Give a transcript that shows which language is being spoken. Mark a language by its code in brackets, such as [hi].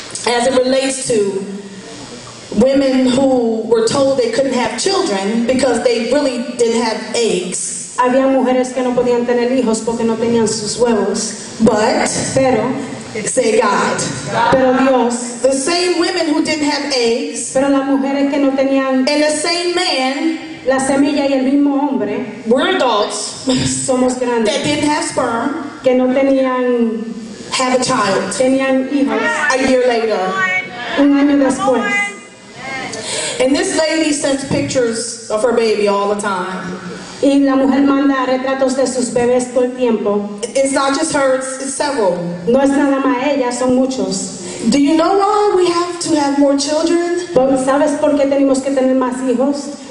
[en] As it relates to women who were told they couldn't have children because they really didn't have eggs. [es] Había mujeres que no podían tener hijos porque no tenían sus huevos. [en] But. [es] Pero. [en] Say God. [es] Pero Dios. [en] The same women who didn't have eggs. [es] Pero las mujeres que no tenían. [en] And the same man. [es] La semilla y el mismo hombre. [en] We're adults. [es] Somos grandes. [en] That didn't have sperm. [es] Que no tenían. [en] Have a child. [es] Tenían hijos. [en] A year later. [es] Un año después. [en] And this lady sends pictures of her baby all the time. [es] Y la mujer manda retratos de sus bebés todo el tiempo. [en] It's not just her, it's several. [es] No es nada más ella, son muchos. [en] Do you know why we have to have more children? [es] ¿Sabes por qué tenemos que tener más hijos?